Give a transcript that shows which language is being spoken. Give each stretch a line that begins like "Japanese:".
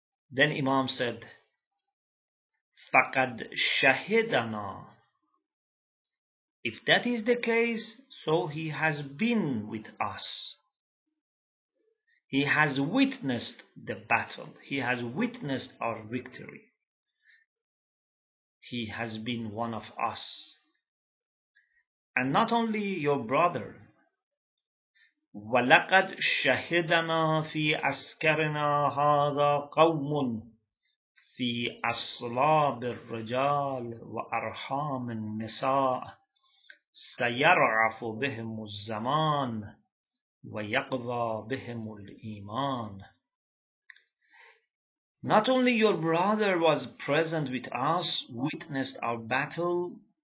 English: Then Imam said,
Arabic: فَقَدْ شَهِدَنَا.
English: If that is the case, so he has been with us. He has witnessed the battle. He has witnessed our victory. He has been one of us. And not only your brother,
Arabic: وَلَقَدْ شَهِدَنَا فِي أَسْكَرِنَا هَذَا قَوْمٌ فِي أَصْلَابِ الرِّجَالِ وَأَرْحَامِ النِّسَاءِ سَيَرْعَفُ بِهِمُ الزَّمَانِ وَيَقْضَى بِهِمُ الْإِيمَانِ.
English: Not only your brother was present with us, witnessed our battle,